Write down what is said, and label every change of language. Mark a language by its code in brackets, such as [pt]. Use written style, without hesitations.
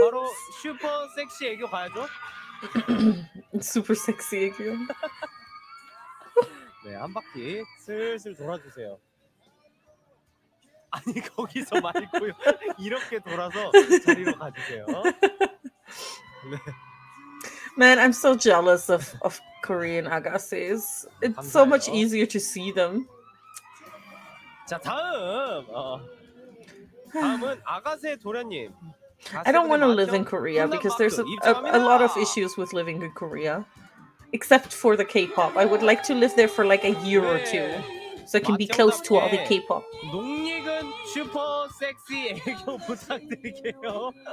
[ko] 자, 바로 슈퍼 섹시 애교 가야죠. super sexy 애교. 네, 한 바퀴 슬슬 돌아주세요. 아니 거기서 말고요. 이렇게 돌아서 자리로 가주세요. 네. [en] Man, I'm so jealous of Korean agassis. It's [ko] 감사해요. [en] so much easier to see them. [ko] 자, 다음. 다음은 아가세 도련님. [en] I don't want to live in Korea because there's a lot of issues with living in Korea. Except for the K-pop. I would like to live there for like a year or two. So I can be close to all the K-pop. [ko] 농익은 슈퍼 섹시 애교 부탁드릴게요.